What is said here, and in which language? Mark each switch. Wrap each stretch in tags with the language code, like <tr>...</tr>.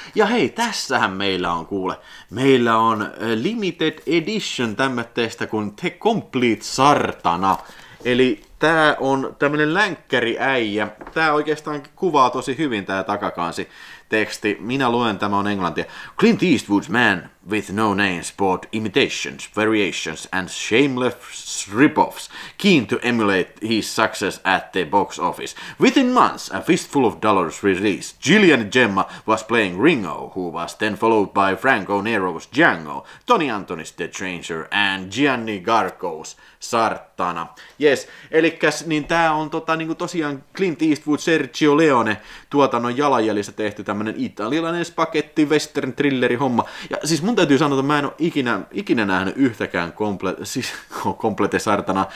<fi>Ja hei, tässähän meillä on kuule. Meillä on limited edition tämmöistä kuin The Complete Sartana. Eli tää on tämmönen länkkäriäijä. Tää oikeastaan kuvaa tosi hyvin tää takakansi teksti. Minä luen, tämä on englantia.</fi> <en>Clint Eastwood's man with no names bought imitations, variations and shameless rip-offs, keen to emulate his success at the box office. Within months, A Fistful of Dollars released. Gillian Gemma was playing Ringo, who was then followed by Franco Nero's Django, Tony Antony's The Stranger and Gianni Garco's Sartana.</en> <fi>Yes, elikkäs, niin tää on niinku tosiaan Clint Eastwood, Sergio Leone tuotannon jalanjäljissä tehty tämmönen italialainen spaghetti western thrilleri homma. Ja siis mun täytyy sanoa, että mä en ole ikinä nähnyt yhtäkään komplete Sartana.</fi>